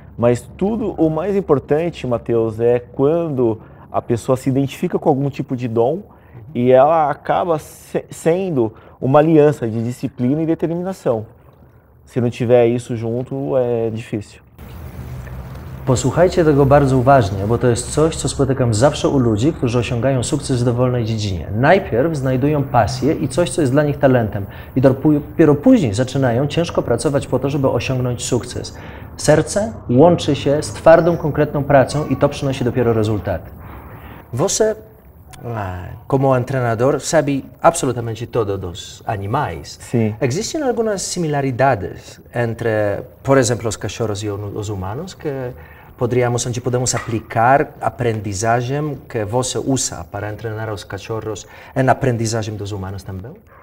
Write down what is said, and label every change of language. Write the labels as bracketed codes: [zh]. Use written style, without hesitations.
[pt] Mas tudo o mais importante, Matheus, é quando a pessoa se identifica com algum tipo de dom e ela acaba sendo uma aliança de disciplina e determinação. Se não tiver isso junto, é difícil. [pl] Posłuchajcie tego bardzo uważnie, bo to jest coś, co spotykam zawsze u ludzi, którzy osiągają sukces w dowolnej dziedzinie. Najpierw znajdują pasję i coś, co jest dla nich talentem. I dopiero później zaczynają ciężko pracować po to, żeby osiągnąć sukces. Serce łączy się z twardą, konkretną pracą i to przynosi dopiero rezultaty. [pt] Você, como entrenador, sabe absolutamente tudo dos animais. Sim. Existem algumas similaridades entre, por exemplo, os cachorros e os humanos que poderíamos, onde podemos aplicar aprendizagem que você usa para treinar os cachorros em aprendizagem dos humanos também?